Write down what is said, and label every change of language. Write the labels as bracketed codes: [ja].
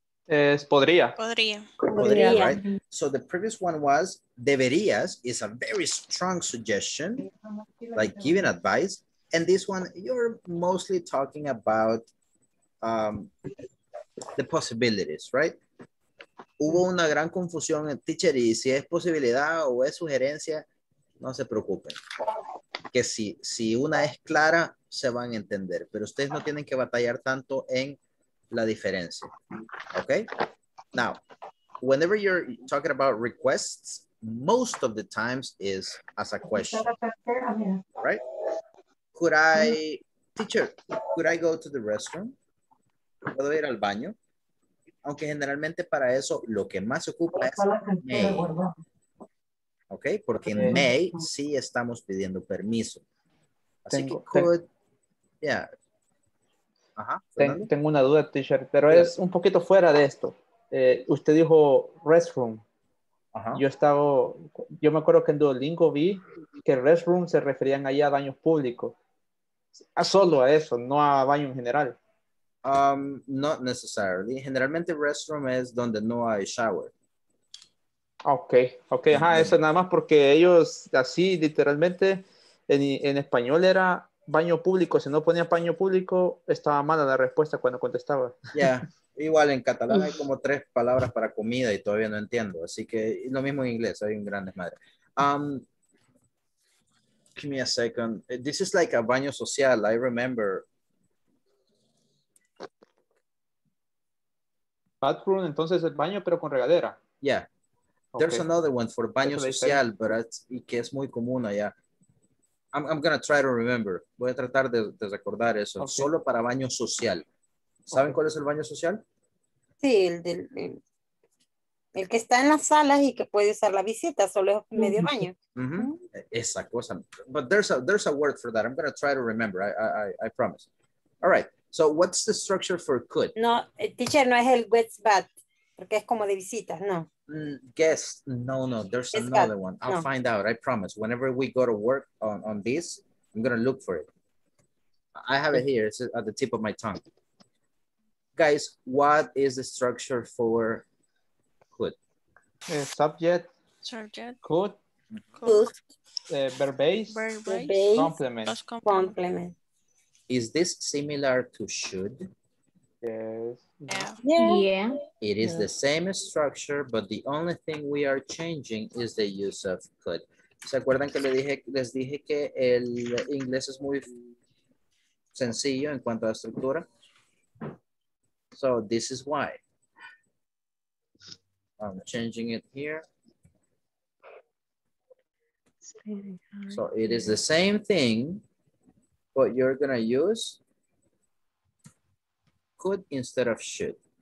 [es] Podría. Podría. [en] Podría, right? So the previous one was deberías, is a very strong suggestion, like giving advice. And this one, you're mostly talking about the possibilities, right? [es] Hubo una gran confusión, teacher, y si es posibilidad o es sugerencia, no se preocupen. Que si, si una es clara, se van a entender. Pero ustedes no tienen que batallar tanto en la diferencia. [en] Okay? Now, whenever you're talking about requests, most of the times is as a question, right? Could I, teacher, could I go to the restroom? [es] ¿Puedo ir al baño? Aunque generalmente para eso lo que más se ocupa es may. Ok, porque en may sí estamos pidiendo permiso. Así tengo, que could, ten, yeah. Ajá, tengo una duda, teacher, pero es un poquito fuera de esto. Usted dijo restroom. Ajá. Yo me acuerdo que en Duolingo vi que restroom se referían ahí a baños públicos. A solo a eso, no a baño en general. [en] Not necessarily. [es] Generalmente restroom es donde no hay shower. [en] Okay, okay. [es] Ajá, eso nada más porque ellos así literalmente en español era baño público. Si no ponía baño público, estaba mala la respuesta cuando contestaba. [en] Yeah. [es] Igual en catalán hay como tres palabras para comida y todavía no entiendo. Así que lo mismo en inglés, hay un gran desmadre. [en] Give me a second. This is like a baño social, I remember. [es] Bathroom, entonces el baño, pero con regadera. [en] Yeah. Okay. There's another one for baño social, but [es] y que es muy común allá. [en] I'm going to try to remember. [es] Voy a tratar de recordar eso. [en] Okay. [es] Solo para baño social. ¿Saben cuál es el baño social? Sí, el que está en las salas y que puede usar la visita, solo es medio baño. Mm-hmm. Esa cosa. [en] But there's a word for that. I'm going to try to remember. I promise. All right. So what's the structure for could? [es] No, teacher, no es el what's bad, porque es como de visitas, no. [en] Guest. No. There's it's another bad. One. I'll no. find out. I promise. Whenever we go to work on this, I'm going to look for it. I have it here. It's at the tip of my tongue. Guys, what is the structure for could? Subject. Could. Verb base. Complement. Complement. Is this similar to should? Yes. Yeah. It is the same structure, but the only thing we are changing is the use of could. [es] ¿Se acuerdan que les dije que el inglés es muy sencillo en cuanto a estructura? [en] So this is why I'm changing it here. So it is the same thing, but you're gonna use could instead of should.